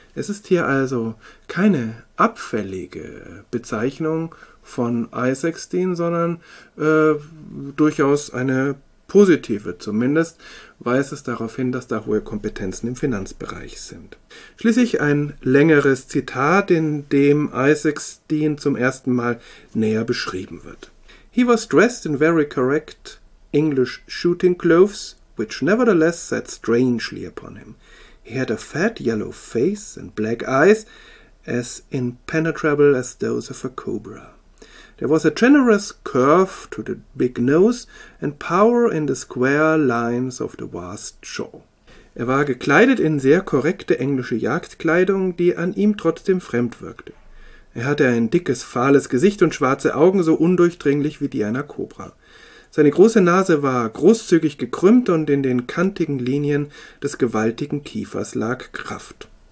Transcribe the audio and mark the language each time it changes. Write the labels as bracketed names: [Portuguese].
[German] Es ist hier also keine abfällige Bezeichnung von Isaacstein, sondern durchaus eine positive. Zumindest weist es darauf hin, dass da hohe Kompetenzen im Finanzbereich sind. Schließlich ein längeres Zitat, in dem Isaacstein zum ersten Mal näher beschrieben wird. [English] He was dressed in very correct English shooting clothes, which nevertheless sat strangely upon him. He had a fat yellow face and black eyes, as impenetrable as those of a cobra. There was a generous curve to the big nose and power in the square lines of the vast jaw. [German] Er war gekleidet in sehr korrekte englische Jagdkleidung, die an ihm trotzdem fremd wirkte. Er hatte ein dickes, fahles Gesicht und schwarze Augen, so undurchdringlich wie die einer Kobra. Seine große Nase war großzügig gekrümmt und in den kantigen Linien des gewaltigen Kiefers lag Kraft.